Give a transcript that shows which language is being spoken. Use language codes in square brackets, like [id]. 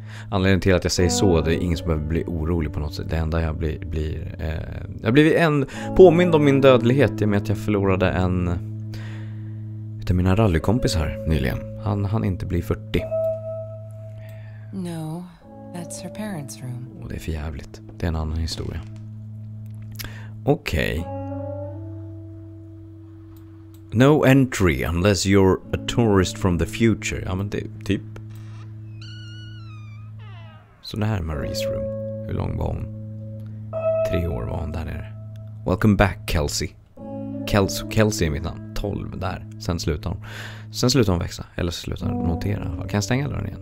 [sv] Anledningen till att jag säger så, det är ingen som behöver bli orolig på något sätt. Det enda jag blir en påmind om min dödlighet, i och med att jag förlorade en utav mina rallykompisar nyligen. Han inte blir 40. [en] No, that's her parents' room. [sv] Och det är för jävligt. Det är en annan historia. Okej. Okay. [en] No entry unless you're a tourist from the future. [sv] Ja, men det är typ. Så det här är Marie's room. Hur lång var hon? 3 år var hon där nere. [en] Welcome back, [sv] Kelsey. Kelsey är mitt namn. 12 där. Sen slutar hon. Sen slutar hon växa. Eller slutar hon notera. Kan jag stänga dörren igen?